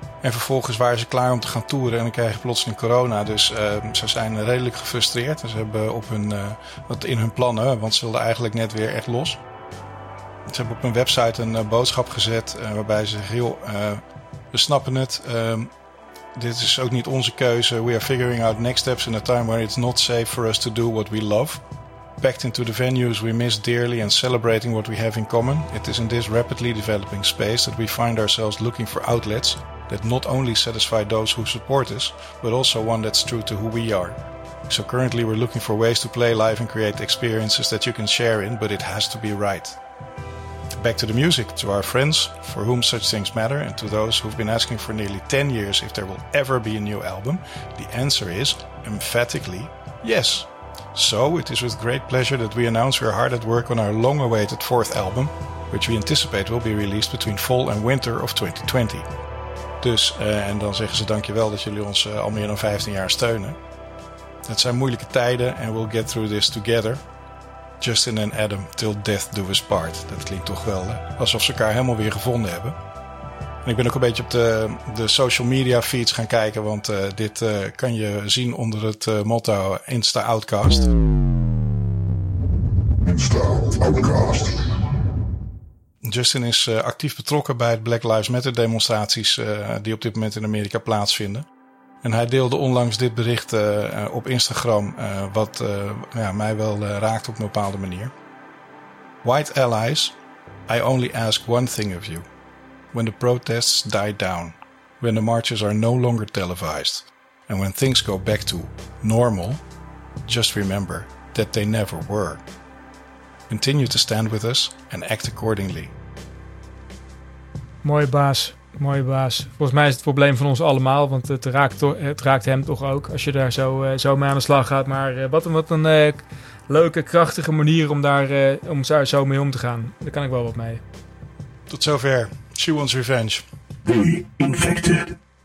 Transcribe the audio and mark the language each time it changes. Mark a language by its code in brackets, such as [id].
[nl] En vervolgens waren ze klaar om te gaan toeren en dan kregen ze plotseling corona. Dus ze zijn redelijk gefrustreerd en ze hebben op hun, wat in hun plannen, want ze wilden eigenlijk net weer echt los. Ze hebben op hun website een boodschap gezet waarbij ze zeggen, we snappen het. Dit is ook niet onze keuze. [en] We are figuring out next steps in a time where it's not safe for us to do what we love. Packed into the venues we miss dearly and celebrating what we have in common. It is in this rapidly developing space that we find ourselves looking for outlets that not only satisfy those who support us, but also one that's true to who we are. So currently we're looking for ways to play live and create experiences that you can share in, but it has to be right. Back to the music, to our friends, for whom such things matter, and to those who've been asking for nearly 10 years if there will ever be a new album, the answer is, emphatically, yes. So it is with great pleasure that we announce we're hard at work on our long-awaited fourth album, which we anticipate will be released between fall and winter of 2020. [nl] Dus, en dan zeggen ze dankjewel dat jullie ons al meer dan 15 jaar steunen. Het zijn moeilijke tijden [en] and we'll get through this together. Justin en Adam, till death do us part. [nl] Dat klinkt toch wel alsof ze elkaar helemaal weer gevonden hebben. En ik ben ook een beetje op de social media feeds gaan kijken, want dit kan je zien onder het motto Insta Outcast. Insta Outcast. Justin is actief betrokken bij het Black Lives Matter demonstraties die op dit moment in Amerika plaatsvinden. En hij deelde onlangs dit bericht op Instagram, wat mij wel raakt op een bepaalde manier. [en] White allies, I only ask one thing of you. When the protests die down, when the marches are no longer televised, and when things go back to normal, just remember that they never were. Continue to stand with us and act accordingly. [nl] Mooie baas. Mooie baas. Volgens mij is het probleem van ons allemaal, want het raakt hem toch ook als je daar zo mee aan de slag gaat. Maar wat een leuke, krachtige manier om daar zo mee om te gaan. Daar kan ik wel wat mee. Tot zover. She wants revenge. The Infected.